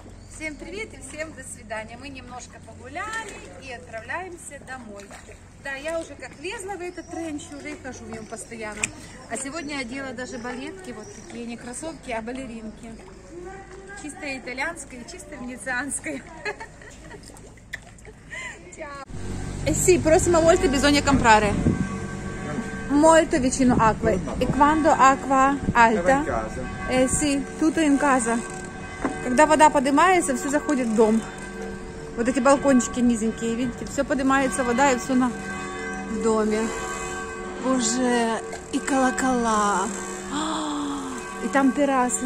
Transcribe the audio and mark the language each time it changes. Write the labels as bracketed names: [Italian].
[Russian] Всем привет и всем до свидания. Мы немножко погуляли и отправляемся домой. Да, я уже как влезла в этот тренч, уже и хожу в нем постоянно. А сегодня одела даже балетки, вот такие не кроссовки, а балеринки. Чисто итальянской, чисто венецианской. [Italian] Sì, prossima volta bisogna comprare molto vicino acqua. E quando acqua alta? Sì, tutto in casa. [Russian] Когда вода поднимается, все заходит в дом. Вот эти балкончики низенькие, видите, все поднимается вода и все на в доме. Боже, и колокола. И там терраса.